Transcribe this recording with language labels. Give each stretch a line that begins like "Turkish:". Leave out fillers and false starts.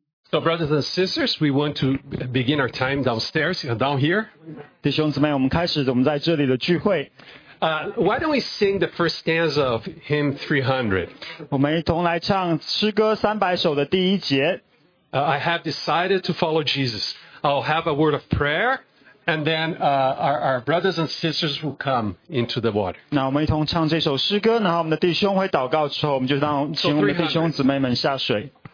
English: So, brothers and sisters, we want to begin our time downstairs, down here.
Chinese: 弟兄姊妹，我们开始我们在这里的聚会。
English: Why don't we sing the first stanza of hymn 300?
Chinese: 我们一同来唱诗歌三百首的第一节。
English: I have decided to follow Jesus. I'll have a word of prayer, and then our brothers and sisters will come into the water.
Chinese: 那我们一同唱这首诗歌，然后我们的弟兄会祷告之后，我们就让请我们的弟兄姊妹们下水。